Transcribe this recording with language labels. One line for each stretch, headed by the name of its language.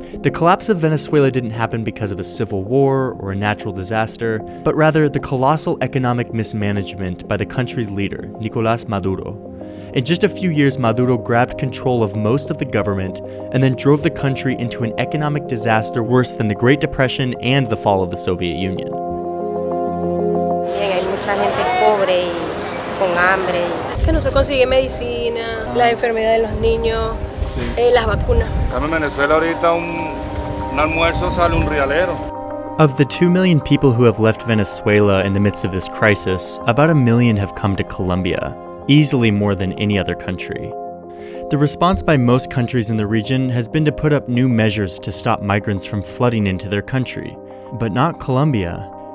English: The collapse of Venezuela didn't happen because of a civil war or a natural disaster, but rather the colossal economic mismanagement by the country's leader, Nicolas Maduro. In just a few years, Maduro grabbed control of most of the government and then drove the country into an economic disaster worse than the Great Depression and the fall of the Soviet Union.
Spanish: Mucha gente pobre y con hambre. Es que no se consigue medicina, la enfermedad de los niños, las vacunas. En Venezuela ahorita un almuerzo sale un realero.
English: Of the 2 million people who have left Venezuela in the midst of this crisis, about 1 million have come to Colombia, easily more than any other country. The response by most countries in the region has been to put up new measures to stop migrants from flooding into their country, but not Colombia.